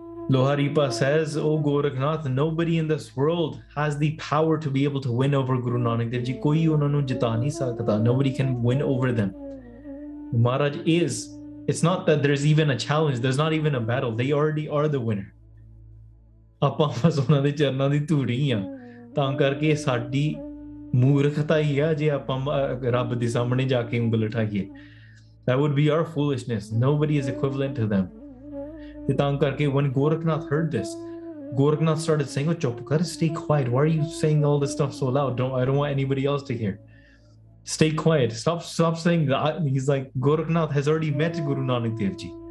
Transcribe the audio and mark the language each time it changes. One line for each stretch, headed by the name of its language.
English: Luhreepa says, oh Gorakhnath, nobody in this world has the power to be able to win over Guru Nanak Dev Ji.
Punjabi: Koi unna nu jita nahi sakda.
English: Nobody can win over them. Maharaj is... It's not that there's even a challenge. There's not even a battle. They already are the winner.
Punjabi: ਆਪਾਂ ਬਸ ਉਹਨਾਂ ਦੇ ਚਰਨਾਂ ਦੀ ਧੂੜੀ ਹਾਂ, ਤਾਂ ਕਰਕੇ ਸਾਡੀ ਮੂਰਖਤਾ ਹੀ ਆ ਜੇ ਆਪਾਂ ਰੱਬ ਦੇ ਸਾਹਮਣੇ ਜਾ ਕੇ ਉਂਗਲ ਉਠਾਈਏ.
English: That would be our foolishness. Nobody is equivalent to them.
Punjabi: ਤੇ ਤਾਂ ਕਰਕੇ
English: when Gorakhnath heard this, Gorakhnath started saying, oh,
Punjabi: chup kar,
English: stay quiet. Why are you saying all this stuff so loud? I don't want anybody else to hear. Stay quiet. Stop saying that. He's like, Gorakhnath has already met Guru Nanak Dev Ji.